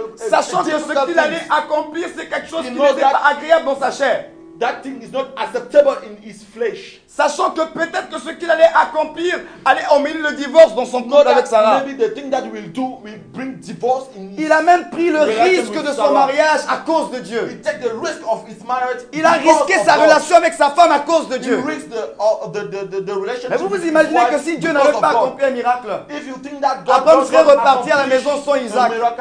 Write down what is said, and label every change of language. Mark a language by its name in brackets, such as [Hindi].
[French] sachant que ce qu'il allait accomplir, c'est quelque chose qui n'était pas agréable dans sa chair. [English] That thing is not acceptable in his flesh. [French] Sachant que peut-être que ce qu'il allait accomplir allait emmener le divorce dans son corps avec Sarah. [English] Maybe the thing that will do will bring divorce in his [French] Il a même pris le risque de son mariage à cause de Dieu. [English] He took the risk of his marriage. [French] Il a risqué sa relation [English] God. [French] Avec sa femme à cause de Dieu. [English] He risked the relationship. [French] Mais vous imaginez que si Dieu n'avait pas accompli un miracle, [English] if you think that God Abraham [French] serait reparti à la maison sans Isaac.